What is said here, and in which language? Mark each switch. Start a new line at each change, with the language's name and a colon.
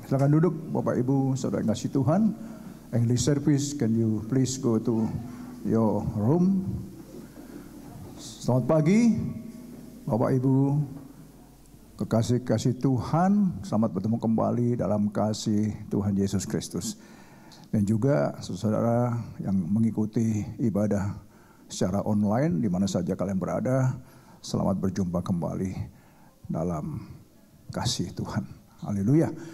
Indonesian: Silakan duduk, Bapak Ibu, Saudara kasih Tuhan.
English: English service, can you please go to your room?
Indonesian: Selamat pagi, Bapak Ibu, kekasih-kasih Tuhan. Selamat bertemu kembali dalam kasih Tuhan Yesus Kristus. Dan juga saudara yang mengikuti ibadah secara online, di mana saja kalian berada, selamat berjumpa kembali dalam kasih Tuhan. Haleluya.